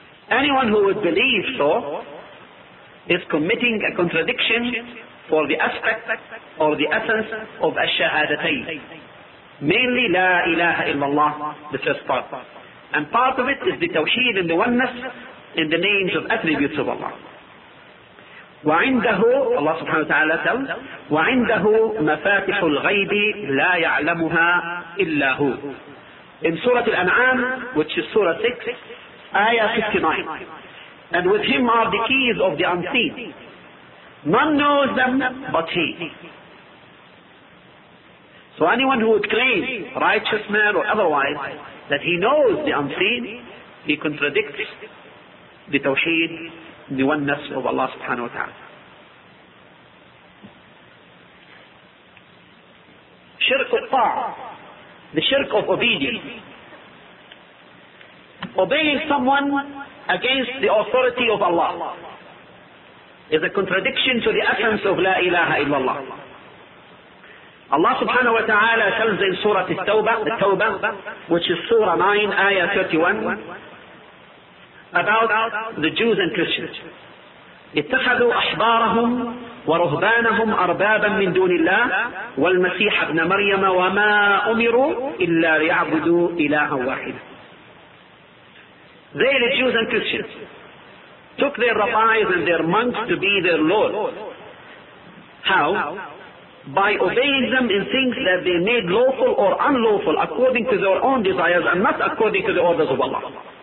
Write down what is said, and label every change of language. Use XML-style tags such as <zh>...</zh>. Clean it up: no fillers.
<en>Anyone who would believe so is committing a contradiction for the aspect or the essence of ash-shahadatayn. Mainly, la ilaha illallah, the first part. And part of it is the tawheed and the oneness in the names of attributes of Allah.</en> <ar>وَعِنْدَهُ Allah subhanahu wa ta'ala tells, وَعِنْدَهُ مَفَاتِحُ الْغَيْبِ لَا يَعْلَمُهَا إِلَّا هُ.</ar> <en>In Surah Al-An'am, which is Surah 6, Ayah 59. And with him are the keys of the unseen. None knows them but he. So anyone who would claim, righteous man or otherwise, that he knows the unseen, he contradicts the tawheed, the oneness of Allah subhanahu wa ta'ala. Shirk al-ta'ah, the shirk of obedience. Obeying someone against the authority of Allah is a contradiction to the essence of La ilaha illallah. Allah subhanahu wa ta'ala tells in Surah At-Tawbah, which is Surah 9, Ayah 31, about the Jews and Christians.</en> <ar>اتخذوا أحبارهم ورهبانهم أربابا من دون الله والمسيح ابن مريم وما أمروا إلا ليعبدوا إلها واحدا.</ar> <en>They, the Jews and Christians, took their rabbis and their monks to be their Lord. How? By obeying them in things that they made lawful or unlawful according to their own desires and not according to the orders of Allah.</en>